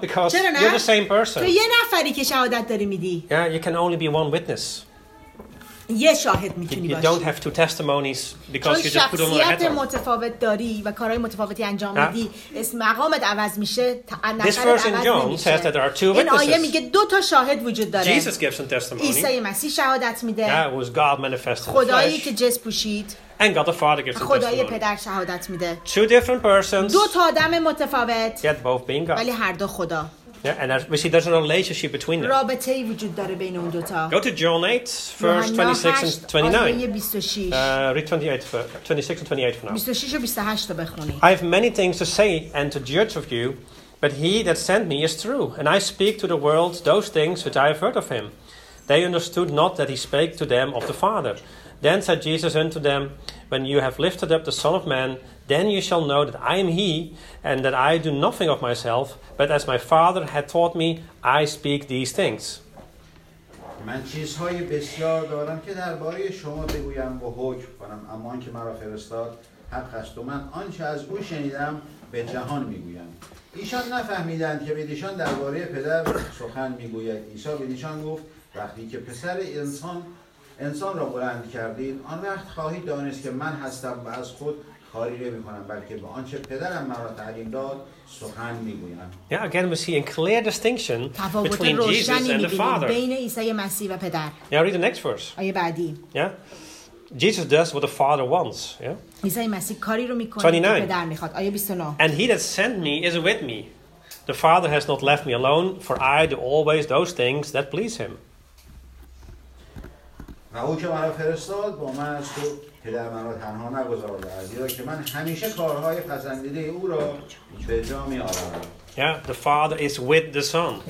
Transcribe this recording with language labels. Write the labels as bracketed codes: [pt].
[en] Because you're the same person. [fa] تو یه نفری که شهادت داری میدی. [en] Yeah, you can only be one witness. [fa] یه شاهد میتونی باشی. [en] You don't have two testimonies because you just put on a hat. [fa] شخصیت متفاوت داری و کارهای متفاوتی انجام میدی. اسم مقامت عوض میشه. [en] This verse in John says that there are two witnesses. [fa] این آیه میگه دو تا شاهد وجود داره. [en] Jesus gives some testimony. [fa] عیسی مسیح شهادت میده. [en] That was God manifested. [fa] خدایی که جسد پوشید. [en] And God the Father gives [fa] خدای پدر شهادت میده. [en] Two different persons. [fa] دو تا آدم متفاوت. [en] Yet both being God. [fa] ولی هر دو خدا. [en] Yeah, and we see there's a relationship between them. [fa] رابطه‌ای وجود داره بین اون دو تا. [en] Go to John 8, verse 26 and 29. 26. Read 28 for 26 and 28 for now. [fa] 26 و 28 رو بخونی. [en] I have many things to say and to judge of you, but he that sent me is true, and I speak to the world those things which I have heard of him. They understood not that he spake to them of the Father. Then said Jesus unto them, When you have lifted up the Son of Man, then you shall know that I am he, and that I do nothing of myself, but as my Father had taught me, I speak these things. [fa] من چیزهای بسیار دارم که درباره شما بگویم و حکم کنم، اما آن که مرا فرستاد حق است و من آنچه از او شنیدم به جهان میگویم. ایشان نفهمیدند که بدیشان درباره پدر سخن میگوید. عیسی بدیشان گفت، وقتی که پسر انسان را بلند کردید آن وقت خواهید دانست که من هستم و از خود خاری نمی کنم بلکه به آنچه پدرم مرا تعلیم داد سخن می گویم. [en] Yeah, again we see a clear distinction between Jesus and the Father. [fa] بین عیسی مسیح و پدر. [en] Yeah, read the next verse. [fa] آیه بعدی. [en] Yeah. Jesus does what the Father wants. Yeah. [fa] عیسی مسیح کاری رو میکنه که پدر میخواد. آیه 29. [en] And he that sent me is with me. The Father has not left me alone, for I do always those things that please him. [fa] و او که مرا فرستاد با من است و پدر مرا تنها نگذارده است زیرا که من همیشه کارهای پسندیده او را به جا می آورم. [en] Yeah, the Father is with the Son.